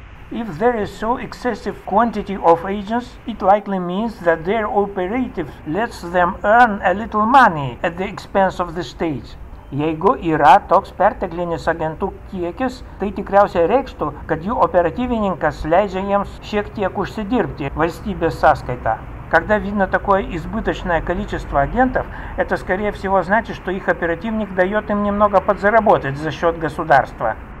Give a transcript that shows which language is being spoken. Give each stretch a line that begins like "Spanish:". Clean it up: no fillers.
English: If there is so excessive quantity of agents, it likely means that their operative lets them earn a little money at the expense of the state.
Lithuanian: Jeigu yra toks perteklinis agentų kiekis, tai tikriausiai reikštų, kad jų operatyvininkas leidžia jiems šiek tiek užsidirbti valstybės sąskaita.
Russian: Когда видно такое избыточное количество агентов, это скорее всего значит, что их оперативник дает им немного подзаработать за счет государства.